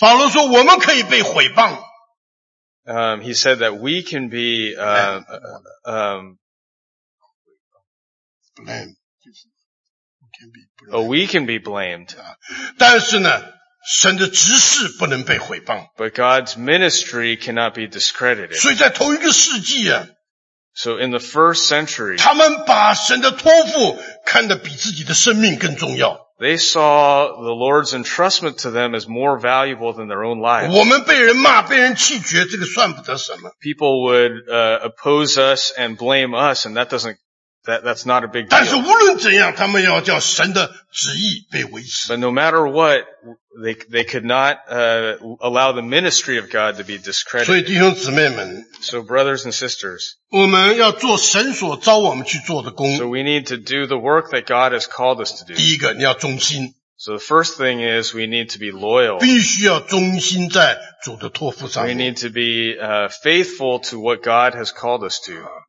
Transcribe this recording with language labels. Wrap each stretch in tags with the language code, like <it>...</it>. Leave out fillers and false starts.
<zh>保罗说我们可以被毁谤。</zh> <en>He said that we can be, we can be blamed.</en> <zh>但是呢神的执事不能被毁谤。</zh> <en>But God's ministry cannot be discredited.</en> <zh>所以在头一个世纪啊。</zh> <en>So in the first century, they saw the Lord's entrustment to them as more valuable than their own lives.</en> <zh>我们被人骂，被人弃绝，这个算不得什么。</zh> <en>People would oppose us and blame us, and that doesn't that's not a big deal.</en> <zh>但是无论怎样，他们要叫神的旨意被维持。</zh> <en>But no matter what, they could not allow the ministry of God to be discredited.</en> <zh>所以弟兄姊妹们,</zh> <en>so brothers and sisters,</en> <zh>我们要做神所召我们去做的工,</zh> <en>so we need to do the work that God has called us to do.</en> <zh>第一个，你要忠心。</zh> <en>So the first thing is we need to be loyal.</en> <zh>必须要忠心在主的托付上。</zh> <en>We need to be faithful to what God has called us to.</en>